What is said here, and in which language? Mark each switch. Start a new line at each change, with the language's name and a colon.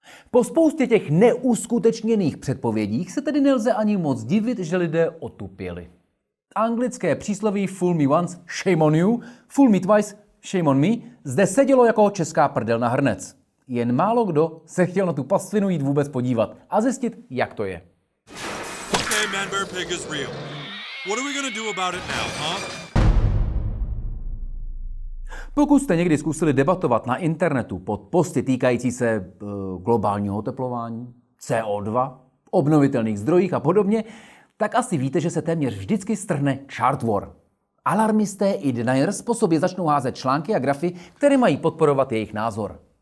Czech: Po spoustě těch neuskutečněných předpovědích se tedy nelze ani moc divit, že lidé otupěli. Anglické přísloví
English: fool me once, shame on you, fool me twice, shame on me,
Czech: zde sedělo jako česká prdel na hrnec. Jen málo kdo se chtěl na tu pastvinu jít vůbec podívat a zjistit, jak to je.
English: Okay, man bear pig is real. What are we gonna do about it now, huh?
Czech: Pokud jste někdy zkusili debatovat na internetu pod posty týkající se globálního oteplování, CO2, obnovitelných zdrojích a podobně, tak asi víte, že se téměř vždycky strhne chart war. Alarmisté i deniers po sobě začnou házet články a grafy, které mají podporovat jejich názor.